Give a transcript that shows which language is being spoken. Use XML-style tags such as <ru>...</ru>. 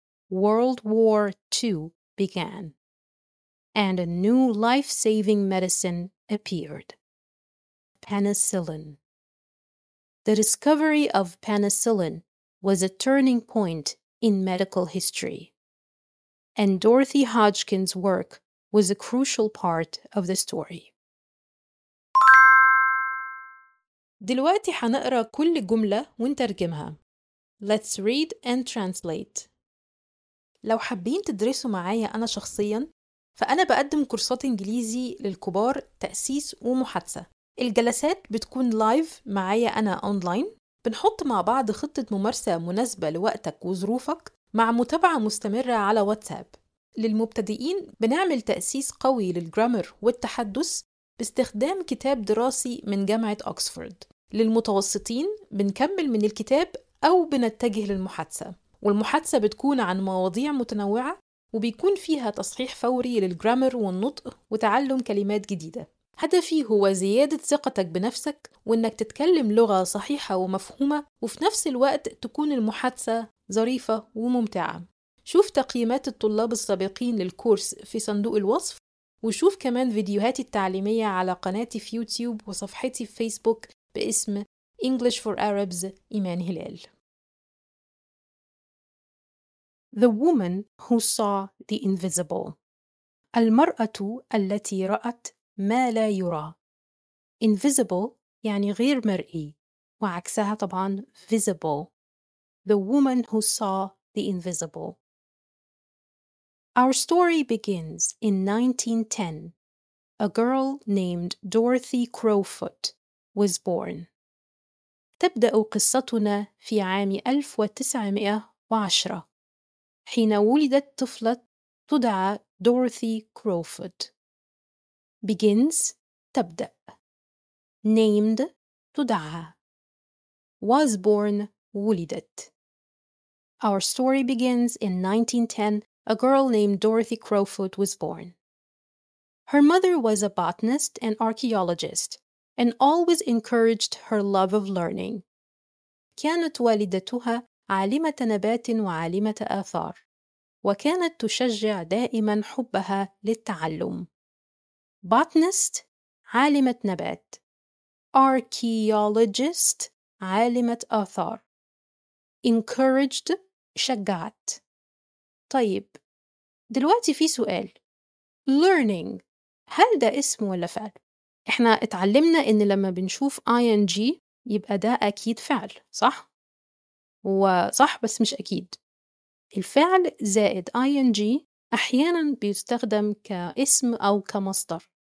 <en>World War II began, and a new life-saving medicine appeared. Penicillin. The discovery of penicillin was a turning point in medical history, and Dorothy Hodgkin's work was a crucial part of the story.</en> <ar>دلوقتي حنقرأ كل جملة ونترجمها.</ar> <en>Let's read and translate.</en> <ar>لو حابين تدرسوا معايا أنا شخصياً، فأنا بقدم كورسات إنجليزي للكبار تأسيس ومحادثة. الجلسات بتكون لايف معايا أنا أونلاين، بنحط مع بعض خطة ممارسة مناسبة لوقتك وظروفك مع متابعة مستمرة على واتساب. للمبتدئين بنعمل تأسيس قوي للجرامر والتحدث باستخدام كتاب دراسي من جامعة أكسفورد. للمتوسطين بنكمل من الكتاب أو بنتجه للمحادثة، والمحادثة بتكون عن مواضيع متنوعة وبيكون فيها تصحيح فوري للجرامر والنطق وتعلم كلمات جديدة. هدفي هو زيادة ثقتك بنفسك وإنك تتكلم لغة صحيحة ومفهومة، وفي نفس الوقت تكون المحادثة ظريفة وممتعة. شوف تقييمات الطلاب السابقين للكورس في صندوق الوصف، وشوف كمان فيديوهاتي التعليمية على قناتي في يوتيوب وصفحتي في فيسبوك باسم English for Arabs إيمان هلال.</ar> <en>The woman who saw the invisible.</en> <ar>المرأة التي رأت ما لا يرى. Invisible يعني غير مرئي، وعكسها طبعا visible.</ar> <en>The woman who saw the invisible. Our story begins in 1910. A girl named Dorothy Crowfoot was born.</en> <ar>تبدأ قصتنا في عام 1910 حين ولدت طفلة تدعى دوروثي كروفوت.</ar> <en>Begins تبدأ. Named تدعى. Was born ولدت. Our story begins in 1910. A girl named Dorothy Crowfoot was born. Her mother was a botanist and archaeologist and always encouraged her love of learning.</en> <ar>كانت والدتها عالمة نبات وعالمة آثار، وكانت تشجع دائما حبها للتعلم. Botanist عالمة نبات. Archaeologist عالمة آثار. Encouraged شجعت. طيب دلوقتي في سؤال، learning هل ده اسم ولا فعل؟ احنا اتعلمنا ان لما بنشوف ing يبقى ده اكيد فعل، صح؟ وصح بس مش اكيد. الفعل زائد ing احيانا بيستخدم كاسم او كمصدر.</ar>